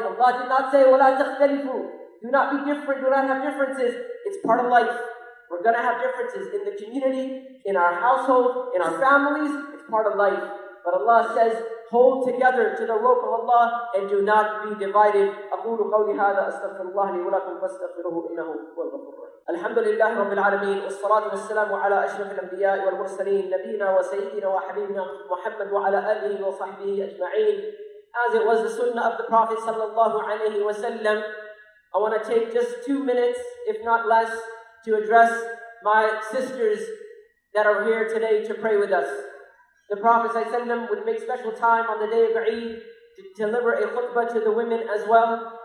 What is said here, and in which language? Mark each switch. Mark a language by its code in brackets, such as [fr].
[en] Allah did not say, [ar] وَلَا تَخْتَلِفُوا. [en] Do not be different, do not have differences. It's part of life. We're going to have differences in the community, in our household, in our families. It's part of life. But Allah says, hold together to the rope of Allah and do not be divided. [ar] أقول قولي هذا أستغفر الله لي ولكم فاستغفروه إنه هو الغفور الرحيم. الحمد لله رب العالمين والصلاة والسلام على أشرف الأنبياء والمرسلين نبينا وسيدنا وحبيبنا محمد وعلى آله وصحبه أجمعين. [en] As it was the sunnah of the Prophet صلى الله عليه وسلم, I want to take just 2 minutes, if not less, to address my sisters that are here today to pray with us. The Prophet ﷺ would make special time on the day of Eid to deliver a khutbah to the women as well.